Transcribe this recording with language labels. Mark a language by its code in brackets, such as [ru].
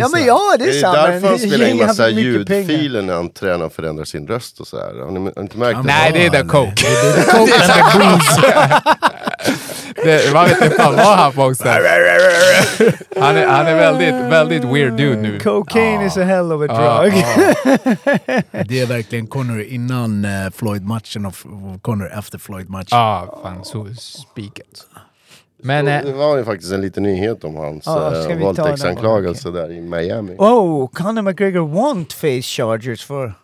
[sv] Ja, men ja, det är sant. Det är därför han spelar in massa ljudfiler när han tränar och förändrar sin röst och så här. Har ni inte märkt det? Nej, det är [en] the coke. [sv] Det är [en] the coke and the booze. [sv] Vad vet du fan vad han boxar? Han är väldigt, väldigt weird dude nu. [en] Cocaine is a hell of a drug. [sv] Det är verkligen Conor innan Floyd-matchen och Conor efter Floyd-matchen. Ja, fan, så [en] speak it. [sv] Men, det var ju faktiskt en liten nyhet om hans våldtäktsanklagelse där i Miami. [en] Oh, Conor McGregor won't face charges for...